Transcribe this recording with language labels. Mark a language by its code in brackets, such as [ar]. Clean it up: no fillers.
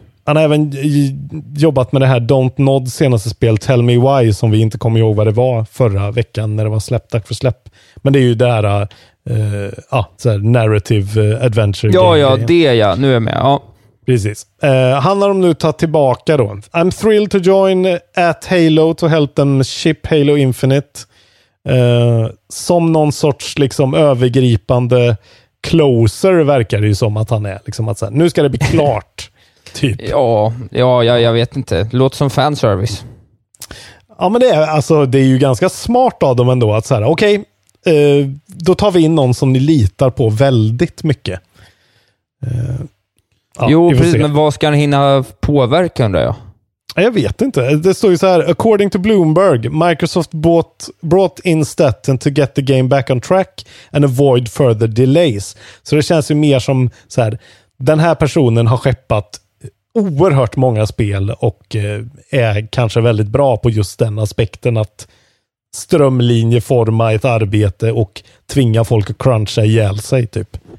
[sv] Han har även jobbat med det här Don't Nod senaste spel Tell Me Why, som vi inte kommer ihåg vad det var förra veckan när det var släppt, tack för släpp. Men det är ju det här, så här narrative adventure. Ja, ja, det är jag. Nu är jag med. Ja. Precis. Han har de nu tagit tillbaka då. [en] I'm thrilled to join at Halo to help them ship Halo Infinite. [sv] Som någon sorts liksom övergripande closer verkar det ju som att han är. Liksom att så här, nu ska det bli klart. Typ. Ja, ja, jag vet inte. Låter som fanservice. Ja, men det är, alltså, det är ju ganska smart av dem ändå att så här, okej, då tar vi in någon som ni litar på väldigt mycket. Jo, precis, men vad ska han hinna påverka, undrar jag? Jag vet inte. Det står ju så här, [en] according to Bloomberg, Microsoft brought in Staten to get the game back on track and avoid further delays. [sv] Så det känns ju mer som så här, den här personen har skeppat oerhört många spel och är kanske väldigt bra på just den aspekten att strömlinjeforma ett arbete och tvinga folk att cruncha ihjäl sig typ.